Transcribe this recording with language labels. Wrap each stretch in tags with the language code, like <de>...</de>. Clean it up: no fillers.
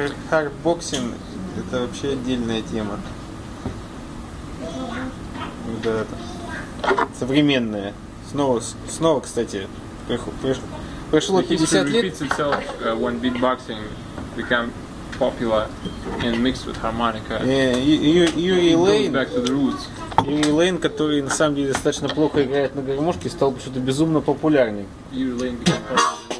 <ru>Хардбоксинг это вообще отдельная тема. Да, это современная. Снова, кстати, прошло 50 лет.</ru> <en>Repeats itself when beatboxing became popular and mixed with harmonica.</en> <ru>Юрий Лейн, который на самом деле достаточно плохо играет на гармошке, стал бы что-то безумно популярней.</ru> <en>Юрий Лейн became popular.</en>